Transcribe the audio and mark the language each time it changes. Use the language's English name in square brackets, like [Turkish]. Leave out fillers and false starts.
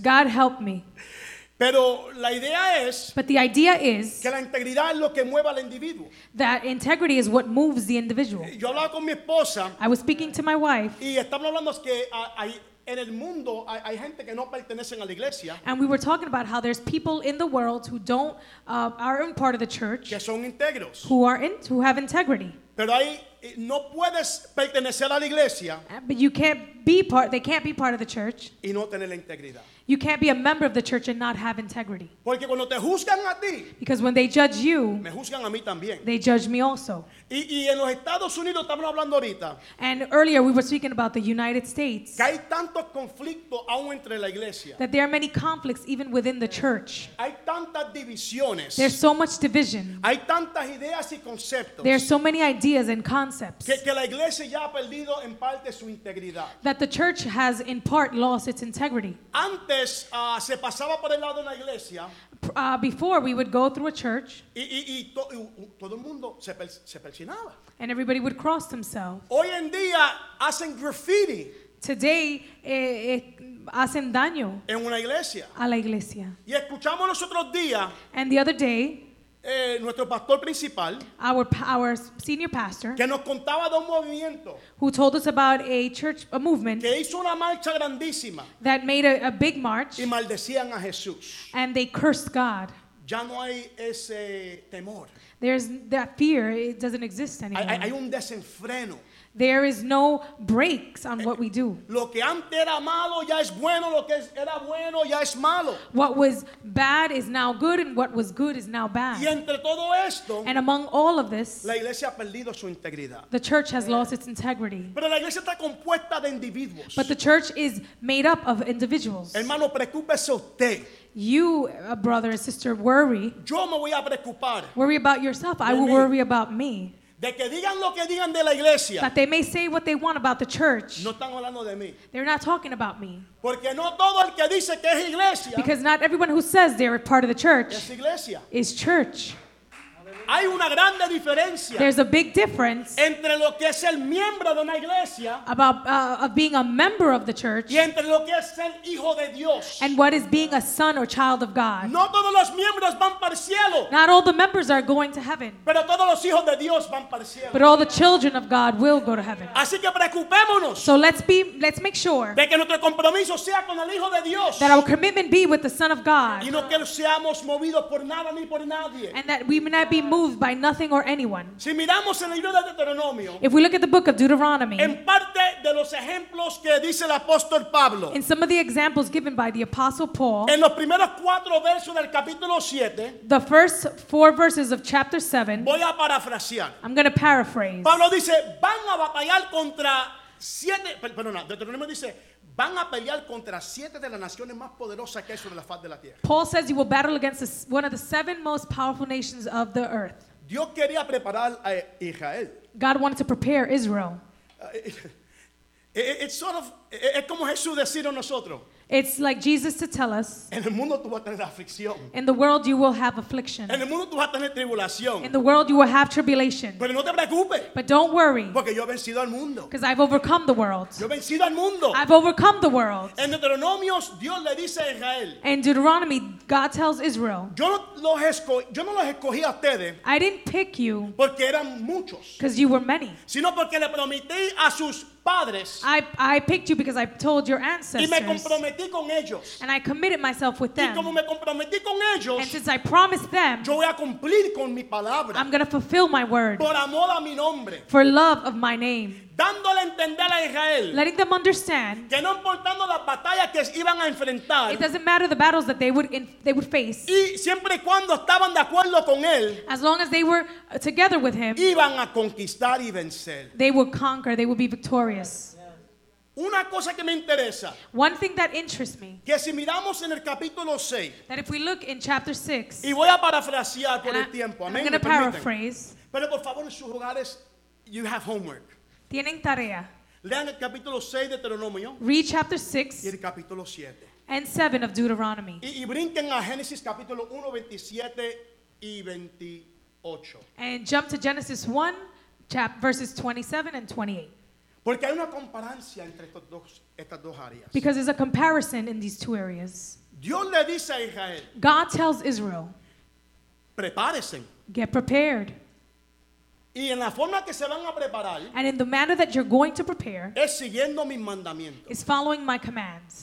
[English] God help me. [Spanish] Pero la idea es [English] but the idea is [Spanish] que la integridad es lo que mueve al individuo. [English] That integrity is what moves the individual. [Spanish] Yo hablaba con mi esposa, [English] I was speaking to my wife [Spanish] y estamos hablando que hay, en el mundo hay gente que no pertenecen a la iglesia, [English] and we were talking about how there's people in the world who don't aren't part of the church [Spanish] que son íntegros, [English] who have integrity. [Spanish] Pero hay no puedes pertenecer a la iglesia, [English] but you can't be part, they can't be part of the church [Spanish] y no tener la integridad. [English] You can't be a member of the church and not have integrity. [Spanish] Porque cuando te juzgan a ti, [English] because when they judge you, [Spanish] me juzgan a mí también. [English] They judge me also. [Spanish] Y en los Estados Unidos estamos hablando ahorita, [English] and earlier we were speaking about the United States, [Spanish] que hay tantos conflictos aún entre la iglesia, [English] that there are many conflicts even within the church. [Spanish] Hay tantas divisiones, [English] there's so much division. [Spanish] Hay tantas ideas y conceptos, [English] there are so many ideas and concepts. [Spanish] Que la iglesia ya ha perdido en parte su integridad. [English] That the church has in part lost its integrity. [Spanish] Antes se pasaba por el lado de la iglesia. [English] Before we would go through a church [Spanish] y todo el mundo se persinaba. [English] And everybody would cross themselves. [Spanish] Hoy en día hacen graffiti. [English] Today [Spanish] hacen daño en una iglesia. A la iglesia. Y escuchamos los otros días. [English] And the other day [Spanish] nuestro pastor principal, [English] our senior pastor, [Spanish] que nos contaba de un movimiento, [English] who told us about a church, a movement, [Spanish] que hizo una marcha grandísima, [English] that made a big march, [Spanish] y maldecían a Jesús, [English] and they cursed God. [Spanish] Ya no hay ese temor. [English] There's that fear, it doesn't exist anymore. [Spanish] Hay un desenfreno. [English] There is no breaks on what we do. [Spanish] Lo que antes era malo ya es bueno, lo que era bueno ya es malo. [English] What was bad is now good and what was good is now bad. [Spanish] Y entre todo esto, [English] and among all of this, [Spanish] la iglesia ha perdido su integridad. [English] The church has lost its integrity. [Spanish] Pero la iglesia está compuesta de individuos. [English] But the church is made up of individuals. [Spanish] Hermano, preocúpese usted. [English] You, a brother, a sister, worry. [Spanish] Yo me voy a preocupar. [English] Worry about yourself. I will worry about me. [Spanish] De que digan lo que digan de la iglesia. [English] That they may say what they want about the church. [Spanish] No están hablando de mí. [English] They're not talking about me. [Spanish] Porque no todo el que dice que es iglesia. [English] Because not everyone who says they're a part of the church. [Spanish] Es iglesia. [English] Is church. [Spanish] Hay una grande diferencia. [English] There's a big difference. [Spanish] Entre lo que es el miembro de una iglesia. [English] About of being a member of the church. [Spanish] Y entre lo que es ser hijo de Dios. [English] And what is being a son or child of God. [Spanish] No todos los miembros van para el cielo. [English] Not all the members are going to heaven. [Spanish] Pero todos los hijos de Dios van para el cielo. [English] But all the children of God will go to heaven. [Spanish] Así que preocupémonos. [English] So let's make sure. [Spanish] De que nuestro compromiso sea con el hijo de Dios. [English] That our commitment be with the son of God. [Spanish] Y no que seamos movidos por nada ni por nadie. [English] And that we may not be moved by nothing or anyone. [Spanish] Si miramos en el libro de Deuteronomio, [English] if we look at the book of Deuteronomy, [Spanish] en parte de los ejemplos que dice el apóstol Pablo, [English] in some of the examples given by the apostle Paul, [Spanish] en los primeros cuatro versos del capítulo siete, [English] the first four verses of chapter 7, [Spanish] voy a parafrasear. [English] I'm going to paraphrase. [Spanish] Pablo dice, van a batallar contra siete, perdona, Deuteronomio dice, van a pelear contra siete de las naciones más poderosas que hay sobre la faz de la tierra. [English] Paul says you will battle against one of the seven most powerful nations of the earth. [Spanish] Dios quería preparar a Israel. [English] God wanted to prepare Israel. It's sort of, [Spanish] es como Jesús decir a nosotros. [English] It's like Jesus to tell us, [Spanish] en el mundo tú vas a tener aflicción. [English] In the world you will have affliction. [Spanish] En el mundo tú vas a tener tribulación. [English] In the world you will have tribulation. [Spanish] Pero no te preocupes. [English] But don't worry. [Spanish] Porque yo he vencido al mundo. [English] Because I've overcome the world. [Spanish] Yo he vencido al mundo. [English] I've overcome the world. [Spanish] En Deuteronomios Dios le dice a Israel. [English] In Deuteronomy God tells Israel. [Spanish] Yo no los escogí a ustedes. [English] I didn't pick you. [Spanish] Porque eran muchos. [English] Because you were many. [Spanish] Sino porque le prometí a sus padres. [English] I picked you because I told your ancestors. [Spanish] Y me comprometí comprometí con ellos. [English] And I committed myself with them. [Spanish] Y como me comprometí con ellos, [English] and since I promised them, [Spanish] yo voy a cumplir con mi palabra. [English] I'm going to fulfill my word. [Spanish] Por amor a mi nombre. [English] For love of my name. [Spanish] Dándole a entender a Israel, [English] letting them understand, [Spanish] que no importando las batallas que iban a enfrentar, [English] it doesn't matter the battles that they would face, [Spanish] y siempre y cuando estaban de acuerdo con él, [English] as long as they were together with him, [Spanish] iban a conquistar y vencer. [English] They would conquer, they would be victorious. [Spanish] Una cosa que me interesa, [English] one thing that interests me, [Spanish] que si miramos en el capítulo 6, [English] that if we look in chapter 6, [Spanish] y voy a parafrasear por el tiempo, [English] I'm going to paraphrase, [Spanish] pero por favor en sus hogares, [English] you have homework. [Spanish] Tienen tarea. Lean el capítulo 6 de Deuteronomio. [English] Read chapter 6 [Spanish] y el capítulo 7 [English] and 7 of Deuteronomy. [Spanish] Y brinquen a Génesis capítulo 1, 27 y 28. [English] And jump to Genesis 1, verses 27 and 28. [Spanish] Porque hay una comparancia entre estas dos áreas. [English] Because there's a comparison in these two areas. [Spanish] Dios le dice a Israel, [English] God tells Israel, [Spanish] prepárense. [English] Get prepared. [Spanish] Y en la forma que se van a preparar, [English] and in the manner that you're going to prepare, [Spanish] es siguiendo mis mandamientos, [English] is following my commands.